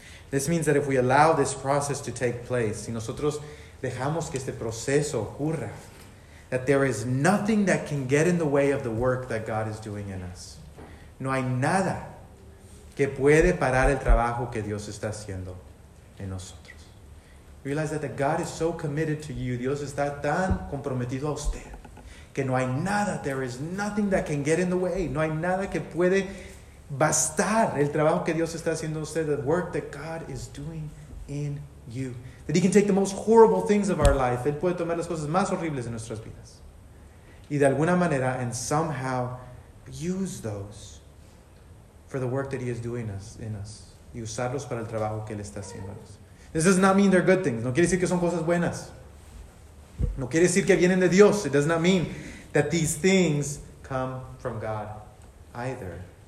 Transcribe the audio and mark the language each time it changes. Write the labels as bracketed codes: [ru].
[en] This means that if we allow this process to take place, si nosotros dejamos que este proceso ocurra, that there is nothing that can get in the way of the work that God is doing in us. [es] No hay nada que puede parar el trabajo que Dios está haciendo en nosotros. [en] Realize that God is so committed to you. Dios está tan comprometido a usted. [es] Que no hay nada, there is nothing that can get in the way. No hay nada que puede bastar el trabajo que Dios está haciendo a usted. The work that God is doing in you. [en] That He can take the most horrible things of our life. [es] Él puede tomar las cosas más horribles de nuestras vidas. [en] Y de alguna manera, and somehow, use those for the work that He is doing in us. [es] Y usarlos para el trabajo que Él está haciéndonos. This does not mean they're good things. No quiere decir que son cosas buenas. No quiere decir que vienen de Dios. It does not mean that these things come from God either.